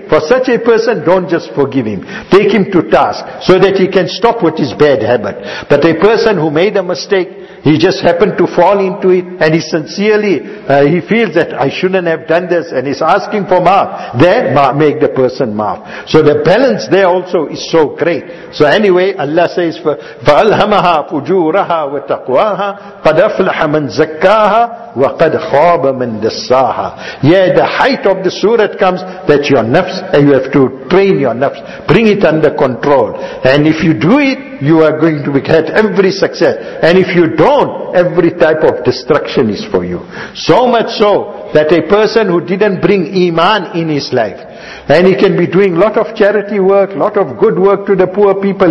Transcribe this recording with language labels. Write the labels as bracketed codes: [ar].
[en] For such a person, don't just forgive him. Take him to task so that he can stop with his bad habit. But a person who made a mistake, he just happened to fall into it, and he sincerely, he feels that I shouldn't have done this, and he's asking for maaf. Then make the person maaf. So the balance there also is so great. So anyway, Allah says, [ar] فَأَلْهَمَهَا فُجُورَهَا وَتَقْوَاهَا قَدْ أَفْلَحَ مَنْ زَكَّاهَا وَقَدْ خَابَ مَنْ دَسَّاهَا. [en] Yeah, the height of the surah comes that your nafs, and you have to train your nafs, bring it under control. And if you do it, you are going to get every success. And if you don't, every type of destruction is for you. So much so that a person who didn't bring iman in his life, and he can be doing a lot of charity work, a lot of good work to the poor people.